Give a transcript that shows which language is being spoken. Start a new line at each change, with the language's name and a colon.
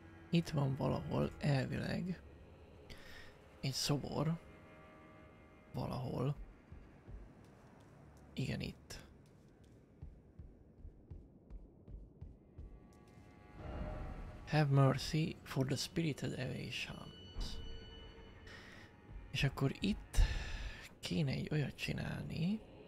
Hungarian: Itt van valahol elvileg egy szobor, valahol, igen itt.
English: Have mercy for the spirited away shams.
Hungarian: És akkor itt kéne egy olyat csinálni.